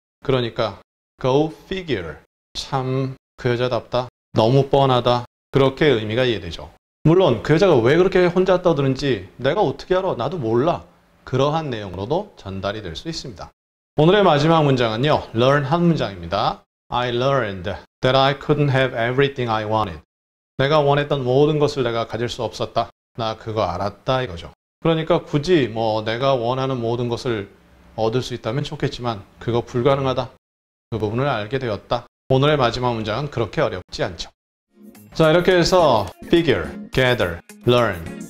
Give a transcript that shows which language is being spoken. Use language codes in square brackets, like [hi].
[ko] 그러니까 [en] go figure. [ko] 참 그 여자답다. 너무 뻔하다. 그렇게 의미가 이해되죠. 물론 그 여자가 왜 그렇게 혼자 떠드는지 내가 어떻게 알아. 나도 몰라. 그러한 내용으로도 전달이 될 수 있습니다. 오늘의 마지막 문장은요. learn 한 문장입니다. [en] I learned that I couldn't have everything I wanted. [ko] 내가 원했던 모든 것을 내가 가질 수 없었다. 나 그거 알았다 이거죠. 그러니까 굳이 뭐 내가 원하는 모든 것을 얻을 수 있다면 좋겠지만 그거 불가능하다. 그 부분을 알게 되었다. 오늘의 마지막 문장은 그렇게 어렵지 않죠. 자, 이렇게 해서 figure, gather, learn.